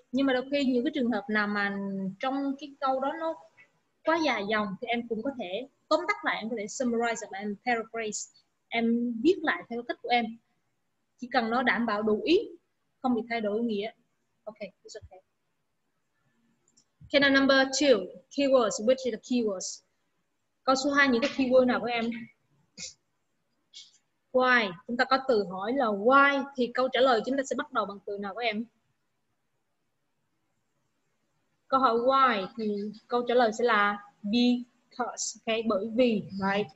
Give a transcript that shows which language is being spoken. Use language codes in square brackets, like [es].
[vi] Nhưng mà đôi khi những cái trường hợp nào mà trong cái câu đó nó quá dài dòng thì em cũng có thể tóm tắt lại, em có thể summarize và em paraphrase, em viết lại theo cách của em. Chỉ cần nó đảm bảo đủ ý, không bị thay đổi nghĩa. [en] Okay, it's okay. Okay, now number two, keywords, which is the keywords? [vi] Câu số 2, những cái keyword nào của em? Why? Chúng ta có từ hỏi là why, thì câu trả lời chúng ta sẽ bắt đầu bằng từ nào của em? Câu hỏi why thì câu trả lời sẽ là because, okay, bởi vì, right?